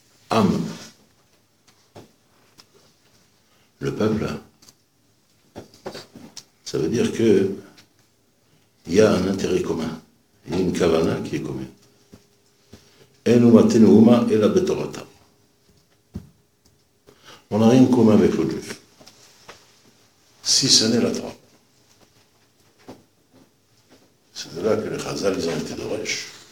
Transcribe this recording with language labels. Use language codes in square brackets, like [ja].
[fr] Âme. Le peuple. Ça veut dire que il y a un intérêt commun. Il y a une kavana qui est commune. [he] אין ומתנו אומה, אלא בתורתם. [fr] On a rien commun avec le juif. Si ce n'est la Torah. C'est de là que les Chazal, ils ont été de Rech.